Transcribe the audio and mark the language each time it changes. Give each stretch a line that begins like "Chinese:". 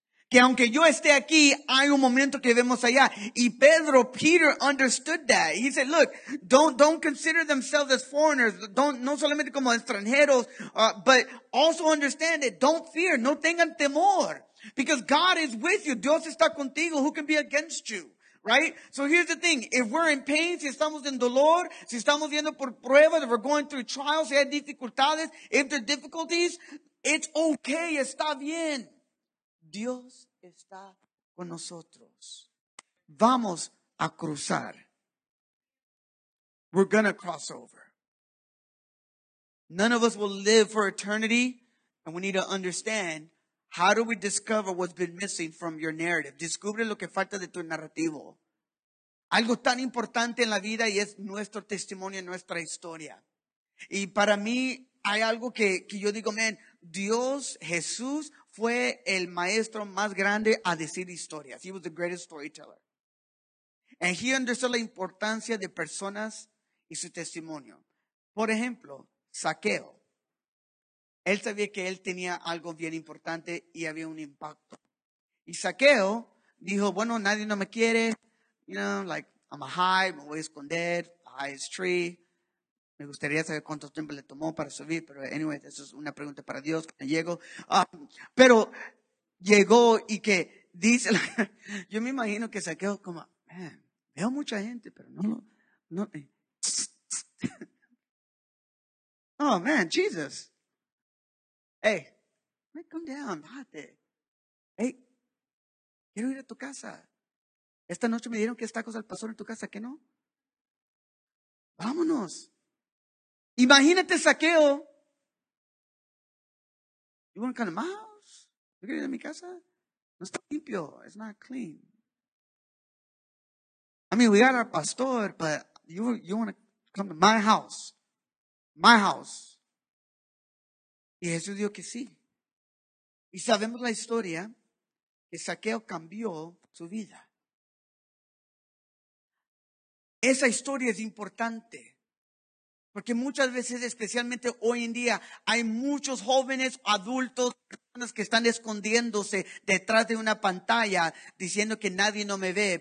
Spanish: Que aunque yo esté aquí, hay un momento que vemos allá.
English: Y Pedro, Peter understood that. He said, look, don't consider themselves as foreigners.
Spanish: No solamente como extranjeros,
English: but also understand it. Don't fear.
Spanish: No tengan temor.
English: Because God is with you.
Spanish: Dios está contigo.
English: Who can be against you? Right? So here's the thing. If we're in pain,
Spanish: si estamos en dolor, si estamos viendo por pruebas,
English: if we're going through trials,
Spanish: si hay dificultades,
English: if there are difficulties, it's okay.
Spanish: Está bien. Dios está con nosotros. Vamos a cruzar.
English: We're going to cross over. None of us will live for eternity, and we need to understand, how do we discover what's been missing from your narrative?
Spanish: Descubre lo que falta de tu narrativo. Algo tan importante en la vida y es nuestro testimonio, nuestra historia. Y para mí hay algo que yo digo, man, Dios, Jesús, fue el maestro más grande a decir historias.
English: He was the greatest storyteller. And he understood
Spanish: la importancia de personas y su testimonio. Por ejemplo, Zaqueo. Él sabía que él tenía algo bien importante y había un impacto. Y Zaqueo dijo, bueno, nadie no me quiere.
English: You know, like, I'm a hide,
Spanish: me voy a esconder,
English: the highest tree.
Spanish: Me gustaría saber cuánto tiempo le tomó para subir, pero anyway, eso es una pregunta para Dios cuando llego. Pero llegó y que dice, yo me imagino que se quedó como, man, veo mucha gente, pero no.
English: Oh, man, Jesus. Hey, calm down,
Spanish: bájate. Hey, quiero ir a tu casa. Esta noche me dieron que está cosa el pastor en tu casa, ¿qué no? Vámonos. Imagínate Zaqueo.
English: You want to come to my house? You're going to mi casa?
Spanish: No está limpio.
English: It's not clean. I mean, we got our pastor, but you want to come to my house? My house.
Spanish: Y Jesús dijo que sí. Y sabemos la historia que Zaqueo cambió su vida. Esa historia es importante. Porque muchas veces, especialmente hoy en día, hay muchos jóvenes, adultos, personas que están escondiéndose detrás de una pantalla diciendo que nadie no me ve.